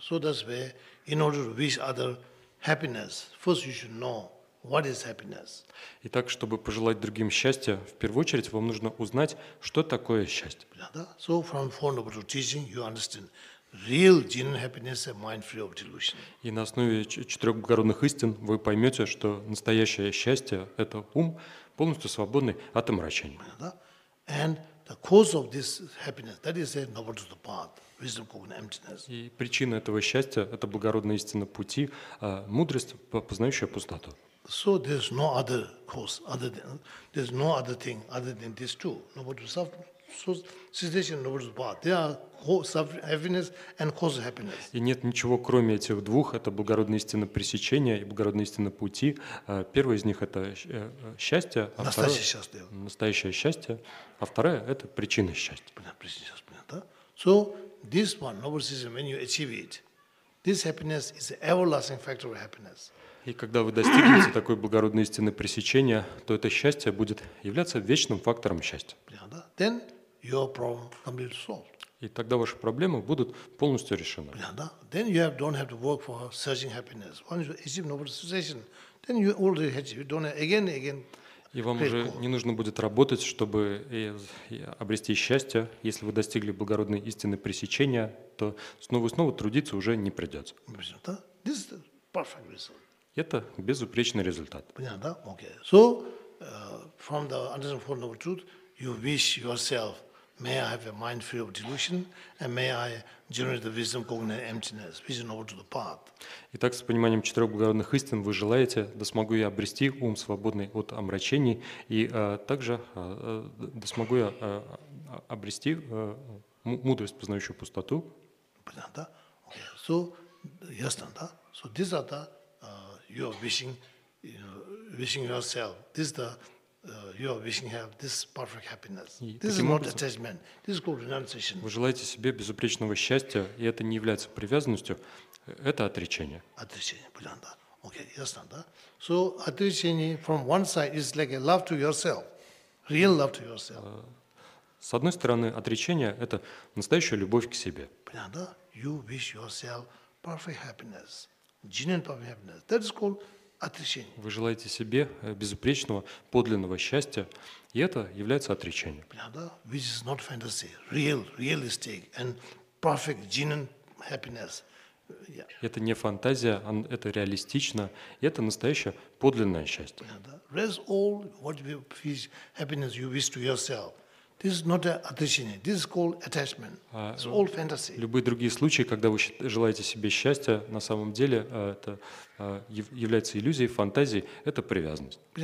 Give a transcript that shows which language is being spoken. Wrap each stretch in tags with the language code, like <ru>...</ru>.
<en>So that's where, in order to wish other happiness, first you should know what is happiness.</en> <ru>Итак, чтобы пожелать другим счастья, в первую очередь вам нужно узнать, что такое счастье. Понятно, да?</ru> <en>So from Four Noble Teachings you understand real genuine happiness is mind free of delusion.</en> <ru>И на основе четырех благородных истин вы поймете, что настоящее счастье – это ум, полностью свободный от омрачений. Понятно, да?</ru> <en>And the cause of this happiness, that is the noble truth path, wisdom cognizant emptiness.</en> <ru>И причина этого счастья – это благородная истина пути, мудрость, познающая пустоту.</ru> <en>So there's no other cause, other than, there's no other thing other than these two. Noble truth of cessation, noble truth path. They are cause of happiness and cause of happiness.</en> <ru>И нет ничего, кроме этих двух. Это благородная истина пресечения и благородная истина пути. Первое из них – это счастье. Настоящее счастье. Настоящее счастье. А вторая – это причина счастья. Понятно, причина счастья, да?</ru> <en>So, this one, noble system, when you achieve it, this happiness is an everlasting factor of happiness.</en> <ru>И когда вы достигнете такой благородной истины пресечения, то это счастье будет являться вечным фактором счастья. Понятно, да?</ru> <en>Then your problem completely solved.</en> <ru>И тогда ваши проблемы будут полностью решены. Понятно, да?</ru> <en>Then you don't have to work for searching happiness. Once you achieve noble cessation, then you already achieve it. Don't again, again.</en> <ru>И вам уже не нужно будет работать, чтобы обрести счастье. Если вы достигли благородной истины пресечения, то снова и снова трудиться уже не придется.</ru> <en>This is the perfect result.</en> <ru>Это безупречный результат. Понятно, да? Okay.</ru> <en>So, from the understanding of the noble truth, you wish yourself, may I have a mind free of delusion, and may I generate the wisdom cognizant emptiness, wisdom over to the path.</en> <ru>Итак, с пониманием четырех благородных истин вы желаете, да смогу я обрести ум, свободный от омрачений, и также да смогу я обрести мудрость, познающую пустоту. Понятно, да? Okay. So, ясно, да?</ru> <en>So, these are the, you are wishing, wishing yourself, this is the you are wishing have this perfect happiness. This is not attachment. This is called renunciation.</en> <ru>Вы желаете себе безупречного счастья, и это не является привязанностью. Это отречение. Отречение, понятно, да? Окей, ясно, да?</ru> <en>So отречение from one side is like a love to yourself, real love to yourself.</en> <ru>С одной стороны, отречение – это настоящая любовь к себе. Понятно, да?</ru> <en>You wish yourself perfect happiness, genuine perfect happiness. That is called отречение.</en> <ru>Вы желаете себе безупречного, подлинного счастья, и это является отречением. Понятно, да?</ru> <en>Which is not fantasy, real, realistic and perfect, genuine happiness.</en> <ru>Это не фантазия, это реалистично, и это настоящее подлинное счастье. Любые другие случаи, когда вы желаете себе счастья, на самом деле это является иллюзией, фантазией, это привязанность.</ru>